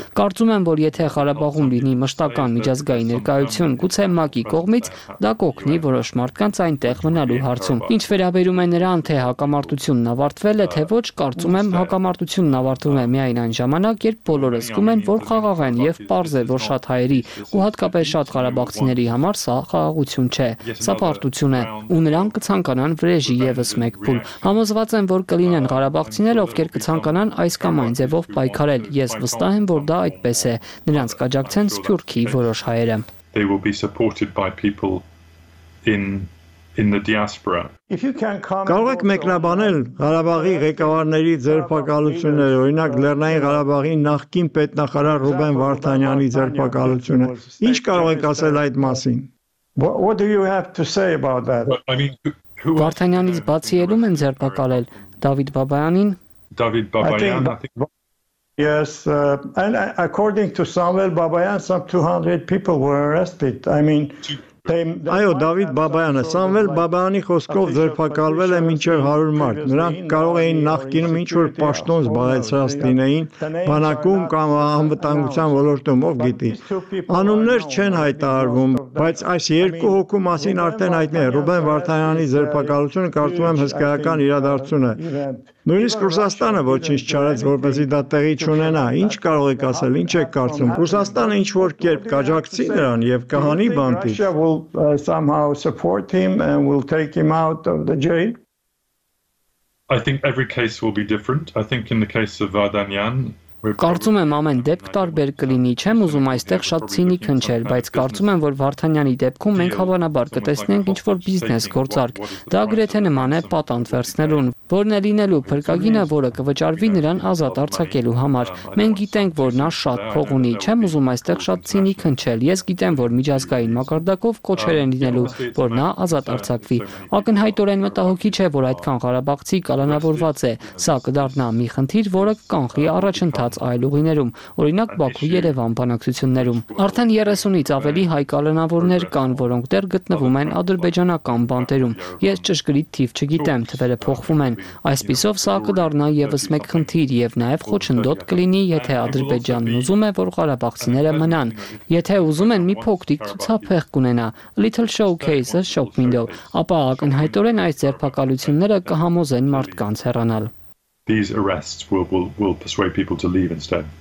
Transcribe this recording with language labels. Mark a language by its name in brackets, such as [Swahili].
[Armenian] Կարծում եմ, որ եթե Ղարաբաղում լինի մշտական միջազգային ներկայություն, գուցե ՄԱԿ-ի կողմից, դա կօգնի որոշ մարդկանց այնտեղ մնալու հարցում։ Ինչ վերաբերում է նրան, թե հակամարտությունն ավարտվել է, թե ոչ, կարծում եմ, հակամարտությունն ավարտվում է միայն այն ժամանակ, երբ բոլորը զգում են, որ խաղաղ են եւ պարզ է, որ շատ հայերի ու հատկապես շատ Ղարաբաղցիների համար սա խաղաղություն չէ, սա պարտություն է, ու նրանք կցանկանան վրեժի եւս մեկ փուլ։ Համոզված եմ, որ կլինեն Ղարաբաղցիները, ովքեր կցանկանան այս կամ այն ձևով պայքարել։ Ես վստահ եմ, որ դա այդպես է։ Նրանց կաջակցեն Սփյուռքի որոշ հայերը։ [English] They will be supported by people in the diaspora. If you can come [Armenian] Կարող եք մեկնաբանել Ղարաբաղի ղեկավարների ձերբակալությունները, օրինակ Լեռնային Ղարաբաղի նախկին պետնախարար Ռուբեն Վարդանյանի ձերբակալությունը։ Ինչ կարող եք ասել այդ մասին? [English] What do you have to say about that? [Armenian] Վարդանյանից բացի ելում են ձերբակալել Դավիթ Բաբայանին։ Դավիթ Բաբայան, [English] Yes, and according to Samuel Babayan, some 200 people were arrested. I mean, [Armenian] Այո, Դավիթ Բաբայանը, Սամվել Բաբայանի խոսքով ձերբակալվել է մինչև 100 մարդ։ Նրանք կարող էին նախկինում ինչ-որ պաշտոն զբաղեցրած լինեին բանակում կամ անվտանգության ոլորտում, ով գիտի։ Անուններ չեն հայտարարվում, բայց այս երկու հոգու մասին արդեն հայտնի է։ Ռուբեն Վարդանյանի ձերբակալությունը կարծում եմ հսկայական իրադարձություն է։ Նույնիսկ Ռուսաստանը ոչինչ չարեց, որպեսզի դա տեղի չունենա։ Ինչ կարող եք ասել, ինչ եք կարծում։ Ռուսաստանը ինչ-որ կերպ կաջակցի նրան եւ կհանի բանտի։ [English] Will somehow support him and will take him out of the jail. I think every case will be different. I think in the case of Vardanyan [Armenian] Կարծում եմ ամեն դեպք տարբեր կլինի, չեմ ուզում այստեղ շատ ցինիկ հնչել, բայց կարծում եմ, որ Վարդանյանի դեպքում մենք հավանաբար կտեսնենք ինչ-որ բիզնես գործարք։ Դա գրեթե նման է պատանդ վերցնելուն, որն է լինելու փրկագինը, որը կվճարվի նրան ազատ արձակելու համար։ Մենք գիտենք, որ նա շատ փող ունի, չեմ ուզում այստեղ շատ ցինիկ հնչել։ Ես գիտեմ, որ միջազգային մակարդակով կոչեր են լինելու, որ նա ազատ արձակվի։ Ակնհայտորեն մտահոգիչ է, որ այդքան Ղարաբաղցի կալանավորված է, սա կդառնա մի խնդիր, որը կանխի առաջընթաց այլ ուղիներում, օրինակ Բաքու Երևան բանակցություններում։ Արդեն 30-ից ավելի հայ կալանավորներ կան, որոնք դեռ գտնվում են ադրբեջանական բանտերում։ Ես ճշգրիտ թիվ չգիտեմ, թվերը փոխվում են։ Այսպիսով սա կդառնա եւս մեկ խնդիր եւ նաեւ խոչընդոտ կլինի, եթե Ադրբեջանն ուզում է, որ Ղարաբաղցիները մնան, եթե ուզում են մի փոքրիկ ցուցափեղ կունենա, [English] little showcase, shop window, [Armenian] ապա ակնհայտորեն այս ձերբակալությունները կհամոզեն մարդկանց հեռանալ։ [English] These arrests will persuade people to leave instead.